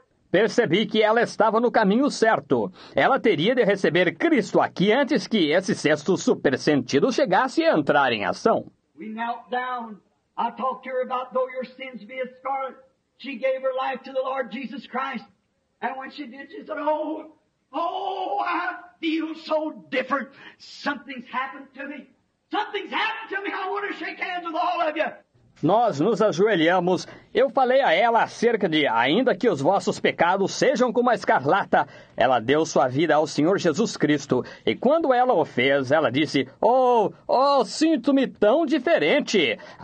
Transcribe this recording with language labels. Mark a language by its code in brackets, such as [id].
[pt] Percebi que ela estava no caminho certo. Ela teria de receber Cristo aqui antes que esse sexto supersentido chegasse a entrar em ação. [en] We knelt down. I talked to her about though your sins be as scarlet. She gave her life to the Lord Jesus Christ. And when she did, she said, oh, I feel so different. Something's happened to me. Something's happened to me. I want to shake hands with all of you. [pt] Nós nos ajoelhamos. Eu falei a ela acerca de, ainda que os vossos pecados sejam como a escarlata, ela deu sua vida ao Senhor Jesus Cristo. E quando ela o fez, ela disse, oh, sinto-me tão diferente.